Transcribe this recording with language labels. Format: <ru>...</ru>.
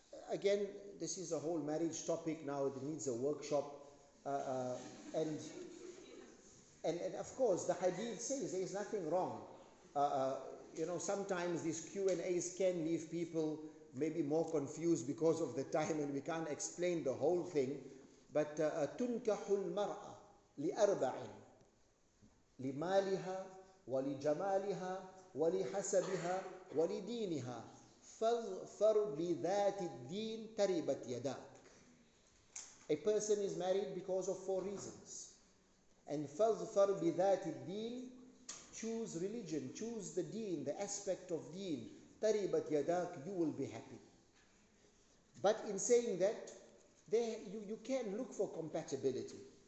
<en>Again, this is a whole marriage topic now. It needs a workshop. And of course, the hadith says there is nothing wrong. You know, sometimes these Q&As can leave people maybe more confused because of the time and we can't explain the whole thing. But</en> <ar>تُنْكَحُ الْمَرْأَ لِأَرْبَعٍ لمالها ولجمالها ولحسبها ولدينها فاغفر لذات الدين تربت يداك.</ar> <en>A person is married because of four reasons. And</en> <ar>فاغفر لذات الدين,</ar> <en>choose religion, choose the deen, the aspect of deen,</en> <ar>تربت يداك,</ar> <en>you will be happy. But in saying that, you can look for compatibility.</en>